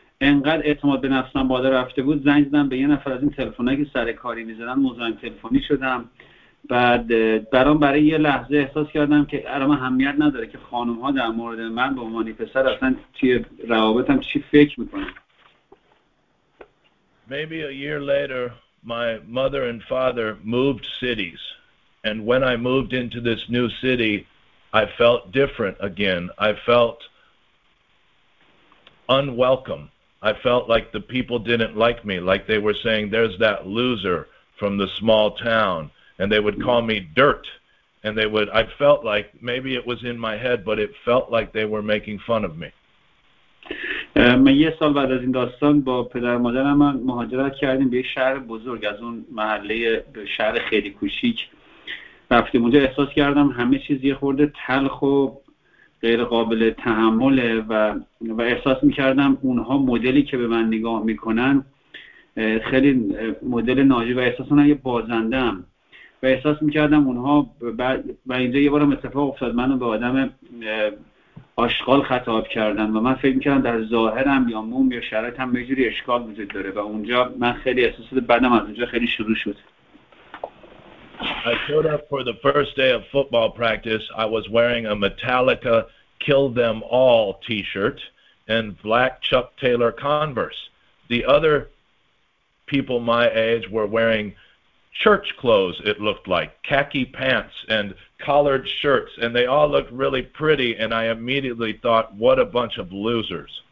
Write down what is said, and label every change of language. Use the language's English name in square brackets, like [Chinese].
[Persian] انقدر اعتماد به نفسم بالا رفته بود زنگ زدم به یه نفر از این تلفنایی که سر کاری می‌زدن مزاحم تلفنی شدم. بعد برام برای یه لحظه احساس کردم که الان اهمیت نداره که خانم‌ها در مورد من به عنوان پسر اصلا توی روابطم چی فکر می‌کنن. [English] Maybe a year later my mother and father moved cities and when I moved into this new city I felt different again. I felt unwelcome. I felt like the people didn't like me, like they were saying, there's that loser from the small town, and they would call me dirt, and I felt like, maybe it was in my head, but it felt like they were making fun of me. [Persian] من یه سال بعد از این داستان با پدر و مادرم مهاجرت کردیم به یه شهر بزرگ، از اون محله به شهر خیلی کوچیک رفتیم. اونجا احساس کردم همه چیز یه خورده تلخ و غیر قابل تحمله و احساس میکردم اونها مدلی که به من نگاه میکنن خیلی مدل ناجی و احساس من یه بازنده هم و احساس میکردم اونها و اینجا یه بارم اتفاق افتاد، منو به آدم آشغال خطاب کردن و من فکر میکردم در ظاهرم یا موم یا شرایطم یه جوری اشکال وجود داره و اونجا من خیلی احساس بدم از اونجا خیلی شروع شد. [English] I showed up for the first day of football practice. I was wearing a Metallica Kill Them All t-shirt and black Chuck Taylor Converse. The other people my age were wearing church clothes, it looked like, khaki pants and collared shirts, and they all looked really pretty, and I immediately thought, what a bunch of losers.